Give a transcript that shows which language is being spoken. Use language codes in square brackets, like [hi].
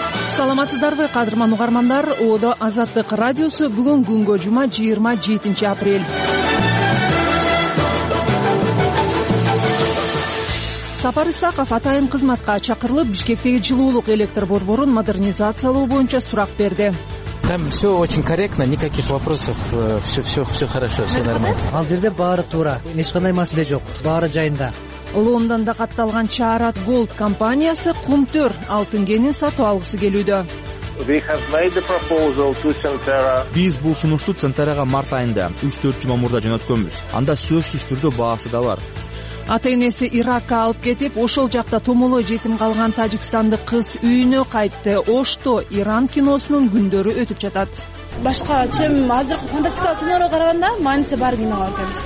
[ky] Саламатсыздарбы, кадырман угармандар, Одо Азаттык радиосу бүгүн күнгө жума 27-апрель. Сапар Исаков атайын кызматка чакырылып, Бишкектеги жылуулук электр борборун модернизациялоо боюнча сурак берди. [ru] Там все очень корректно, никаких вопросов, все хорошо, все нормально. [ky] Ал жерде баары туура, эч кандай маселе жок, баары жайында. Лондонда катталган Чаарат Голд компаниясы кумтөр алтын кенин сатып алгысы келүүдө. [en] We have made the proposal to Centerra. [ky] Биз бул сунушту Центерага март айында 3-4 жума мурда жөнөткөнбүз. Анда сөзсүз түрдө баасы да бар. Ата-энеси Иракка алып кетип, ошол жакта томоло жетим калган тажикстандык кыз үйүнө кайтты. Ошто Иран киносунун күндөрү өтүп жатат. Башка чем азыркы фантастикалык кинолорго караганда мааниси бар кинолор экен.